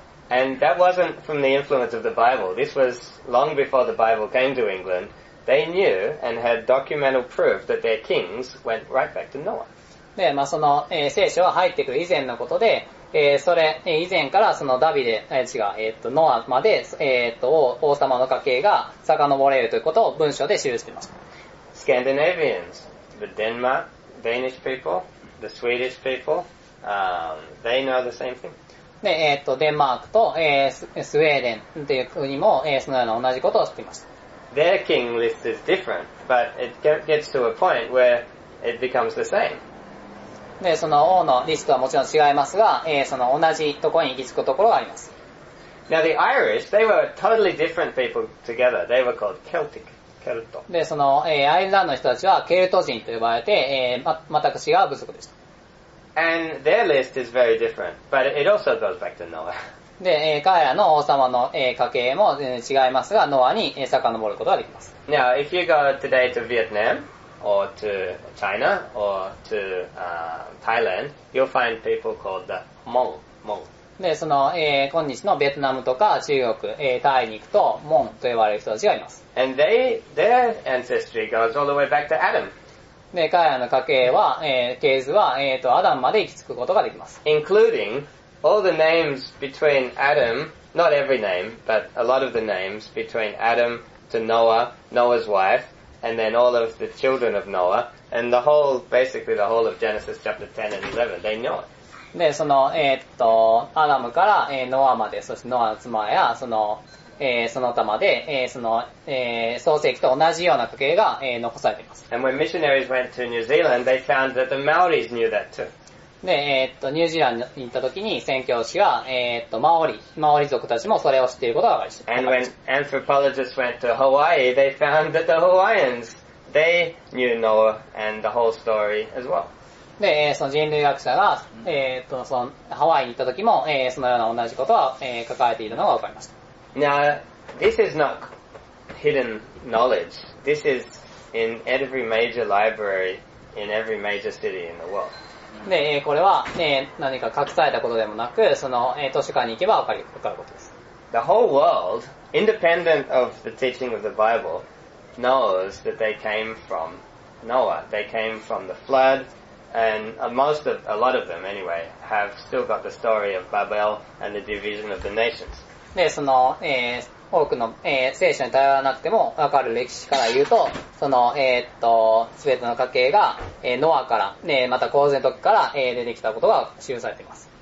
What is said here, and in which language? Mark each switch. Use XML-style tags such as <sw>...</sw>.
<en>And that wasn't from the influence of the Bible. This was long before the Bible came to England. They knew and had documental proof that their kings went right back to Noah.</en> <ja>で、まあ、その、聖書は入ってくる以前のことで、それ、以前からそのダビデ、違う、ノアまで、王様の家系が遡れるということを文書で記していました。</ja> <en>Scandinavians, the Denmark, Danish people, the Swedish people, they know the same thing.</en> <ja>で、デンマークと、スウェーデンという国も、そのような同じことを知っていました。</ja> <en>Their king list is different, but it gets to a point where it becomes the same.</en> <ja>で、その王のリストはもちろん違いますが、その同じところに行き着くところがあります。</ja> <en>Now the Irish, they were totally different people together. They were called Celtic, Celt.</en> <ja>で、その、アイルランドの人たちはケルト人と呼ばれて、全く違う部族でした。</ja> <en>And their list is very different, but it also goes back to Noah.</en> <ja>で、彼らの王様の、家系も全然違いますが、ノアに、遡ることができます。</ja> <en>Now, if you go today to Vietnam,or to China, or to, Thailand, you'll find people called the Hmong, Hmong.</en> <ja>で、その、今日のベトナムとか中国、タイに行くと、Hmong と呼ばれる人たちがいます。</ja> <en>And they, their ancestry goes all the way back to Adam.</en> <ja>で、彼らの家系は、系図は、アダムまで行き着くことができます。</ja> <en>Including all the names between Adam, not every name, but a lot of the names between Adam to Noah, Noah's wife,And then all of the children of Noah, and the whole, basically the whole of Genesis chapter 10 and 11, they know it.</en> <ja>で、その、アダムから、ノアまで、そしてノアの妻や、その、その他まで、その、創世記と同じような家系が、残されています。</ja> <en>And when missionaries went to New Zealand, they found that the Maoris knew that too.</en> <ja>で、ニュージーランドに行った時に、宣教師は、マオリ族たちもそれを知っていることが分かりました。</ja> <en>And when anthropologists went to Hawaii, they found that the Hawaiians, they knew Noah and the whole story as well.</en> <ja>で、その人類学者が、そのハワイに行った時も、そのような同じことは、書かれているのが分かりました。</ja> <en>Now, this is not hidden knowledge. This is in every major library in every major city in the world.</en> <ja>で、これは、何か隠されたことでもなく、その、図書館に行けば分かることです。</ja> <en>The whole world, independent of the teaching of the Bible, knows that they came from Noah. They came from the flood, and most of, a lot of them anyway, have still got the story of Babel and the division of the nations.</en> <ja>で、その、多くの、聖書に頼らなくても分かる歴史から言うと、その、すべての家系が、ノアから、また洪水の時から、出てきたことが記されています。</ja>